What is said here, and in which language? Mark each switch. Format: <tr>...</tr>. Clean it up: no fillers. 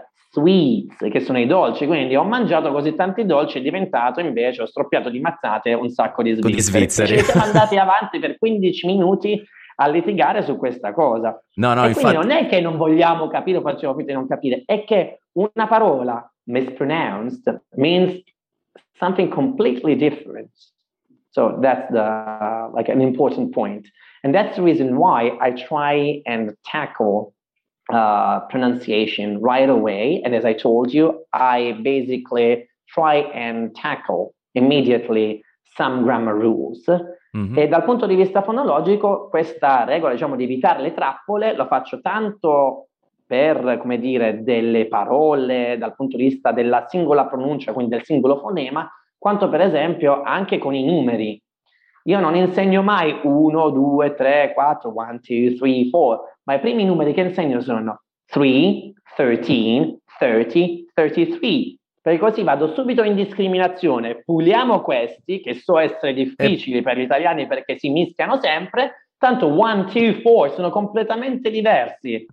<it>Sweets, che sono i dolci, quindi ho mangiato così tanti dolci e diventato invece, ho stroppiato di mazzate un sacco di svizzeri. Ci siamo andati avanti per 15 minuti a litigare su questa cosa. No, no, e infatti, quindi non è che non vogliamo capire, facciamo finta di non capire, è che una parola</it> <en>mispronounced means something completely different. So that's the like an important point. And that's the reason why I try and tackle pronunciation right away, and as I told you, I basically try and tackle immediately some grammar rules. Mm-hmm.</en> <it>E dal punto di vista fonologico, questa regola, diciamo, di evitare le trappole, lo faccio tanto per, come dire, delle parole dal punto di vista della singola pronuncia, quindi del singolo fonema, quanto per esempio anche con i numeri. Io non insegno mai 1, 2, 3, 4, 1, 2, 3, 4, ma i primi numeri che insegno sono 3, 13, 30, 33, perché così vado subito in discriminazione, puliamo questi, che so essere difficili per gli italiani perché si mischiano sempre, tanto 1, 2, 4 sono completamente diversi,</it>